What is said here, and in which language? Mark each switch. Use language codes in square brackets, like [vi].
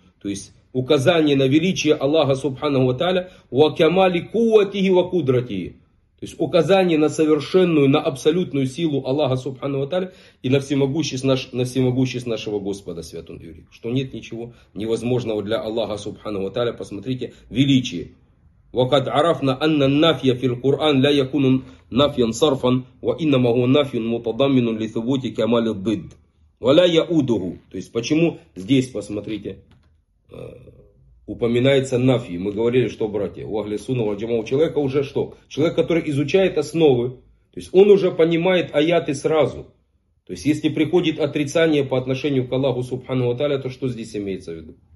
[ru] То есть указание на величие Аллаха Субханаху Тааля, [ar] ва кемали куватихи ва кудратихи. [ru] То есть указание на совершенную, на абсолютную силу Аллаха Субханаху Тааля и на всемогущесть нашего Господа, святой Юрий. Что нет ничего невозможного для Аллаха Субханаху Тааля. Посмотрите, величие. [ar] وقد عرفنا أن النافية في القرآن لا يكون نافيا صرفا، وإنما هو نافي متضمن لثبوت كمال الضد ولا يؤوده. [ru] То есть почему здесь, посмотрите, упоминается нафи. Мы говорили, что, братья, у Ахли Сунна валь Джамаа у человека уже что? Человек, который изучает основы, то есть он уже понимает аяты сразу. То есть если приходит отрицание по отношению к Аллаху Субхану ва Тааля, то что здесь имеется в виду?